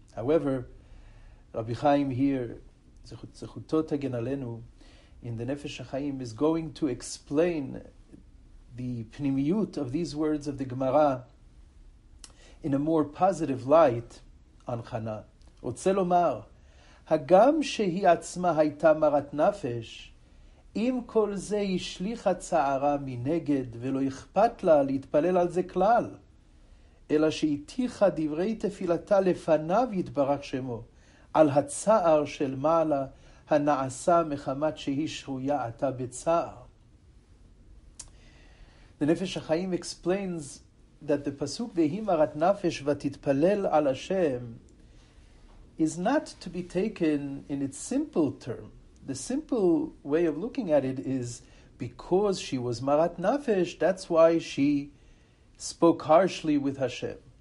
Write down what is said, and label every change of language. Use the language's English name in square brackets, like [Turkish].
[English] However, Rabbi Chaim here, zechuto tagen alenu, in the Nefesh HaChaim, is going to explain the pnimiyut of these words of the Gemara in a more positive light on Chana. [Hebrew] Rotze lomar, hagam shehi atzma haita marat nafesh, אם כל זה ישליך הצערה מנגד ולא אכפת לה להתפלל על זה כלל, אלא שהתיחה דברי תפילתה לפניו יתברך שמו, על הצער של מעלה הנעשה מחמת שהיא שרויה עתה בצער. [English] The Nefesh HaChaim explains that the pasuk והיא מרת נפש ותתפלל על השם is not to be taken in its simple term. The simple way of looking at it is because she was marat nafesh, that's why she spoke harshly with Hashem.